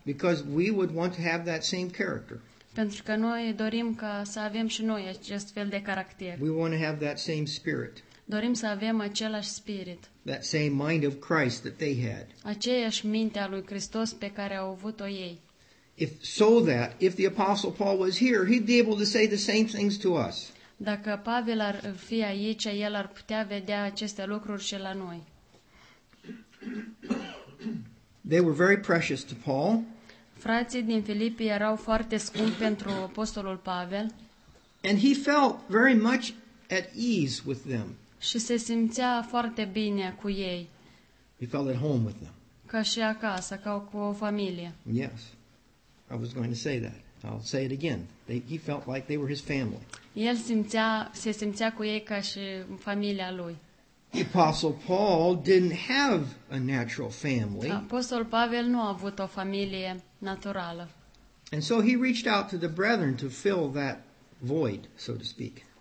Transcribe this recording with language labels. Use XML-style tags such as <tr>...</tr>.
<en>Because we would want to have that same character.</en> <ro>Pentru că noi dorim ca să avem și noi acest fel de caracter.</ro> <en>We want to have that same spirit.</en> <ro>Dorim să avem același spirit.</ro> <en>That same mind of Christ that they had.</en> <ro>Aceeași minte a lui Hristos pe care au avut-o ei.</ro> <en>If so that if the Apostle Paul was here, he'd be able to say the same things to us.</en> <ro>Dacă Pavel ar fi aici, el ar putea vedea aceste lucruri și la noi.</ro> <en>They were very precious to Paul.</en> <ro>Frații din Filipi erau foarte scumpi pentru Apostolul Pavel.</ro> <en>And he felt very much at ease with them.</en> <ro>Și se simțea foarte bine cu ei.</ro> <en>He felt at home with them.</en> <ro>Ca și acasă, ca cu o familie.</ro> <en>Yes. I was going to say that. I'll say it again. He felt like they were his family.</en> <ro>El se simțea cu ei ca și familia lui.</ro> <en>The Apostle Paul didn't have a natural family.</en> <ro>Apostol Pavel nu a avut o familie naturală.</ro> <en>And so he reached out to the brethren to fill that void, so to speak.</en>